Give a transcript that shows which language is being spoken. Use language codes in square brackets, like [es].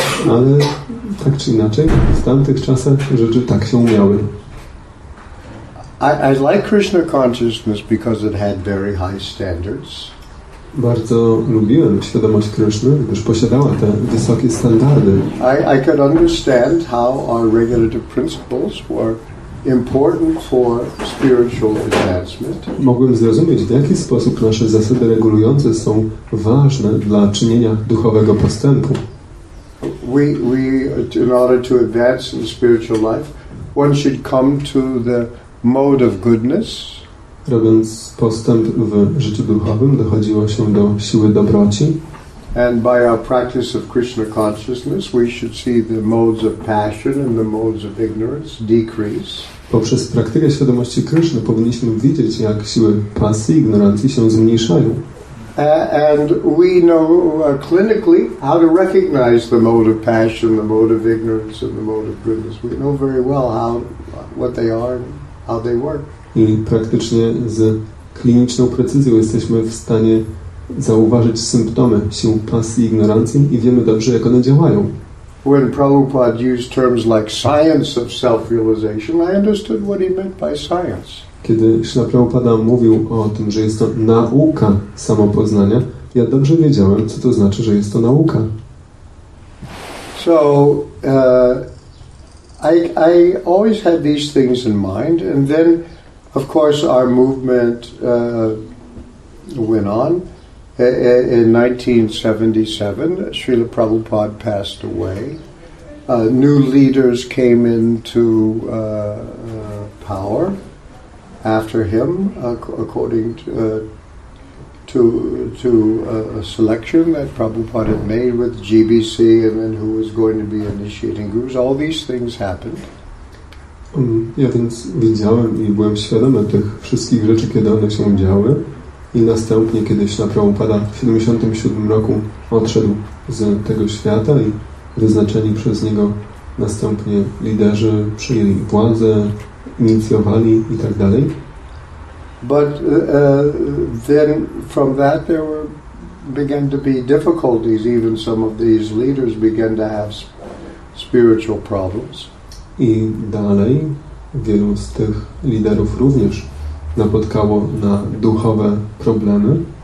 [pl] Ale tak czy inaczej, w tamtych czasach rzeczy tak się miały. [en] I like Krishna consciousness because it had very high standards. [pl] bardzo lubiłem świadomość Kryszny, gdyż posiadała te wysokie standardy. [en] I could understand how our regulative principles were important for spiritual advancement. [pl] Mogłem zrozumieć, w jaki sposób nasze zasady regulujące są ważne dla czynienia duchowego postępu. [en] We in order to advance in spiritual life, one should come to the mode of goodness. [pl] Robiąc postęp w życiu duchowym, dochodziło się do siły dobroci. [en] And by our practice of Krishna consciousness, we should see the modes of passion and the modes of ignorance decrease. [pl] Poprzez praktykę świadomości Kryszny powinniśmy widzieć, jak siły pasji i ignorancji się zmniejszają. [en] And we know clinically how to recognize the mode of passion, the mode of ignorance, and the mode of goodness. We know very well how, what they are, and how they work. [pl] I praktycznie z kliniczną precyzją jesteśmy w stanie zauważyć symptomy sił pasji i ignorancji i wiemy dobrze, jak one działają. [en] When Prabhupada used terms like science of self-realization, I understood what he meant by science. [pl] Kiedy Śrīla Prabhupada mówił o tym, że jest to nauka samopoznania, ja dobrze wiedziałem, co to znaczy, że jest to nauka. [en] So, I always had these things in mind, and then, of course, our movement went on. In 1977, Śrīla Prabhupada passed away. New leaders came into power after him, according to a selection that Prabhupada had made with GBC, and then who was going to be initiating gurus. All these things happened. [pl] Ja więc widziałem i byłem świadomy tych wszystkich rzeczy, kiedy one się działy. I następnie, kiedy Śrīla Prabhupada w 1977 roku odszedł z tego świata i wyznaczeni przez niego następnie liderzy przyjęli władzę, inicjowali i tak dalej. [en] But then from that there were, began to be difficulties. Even some of these leaders began to have spiritual problems. [pl] I dalej wielu z tych liderów również napotkało na duchowe problemy.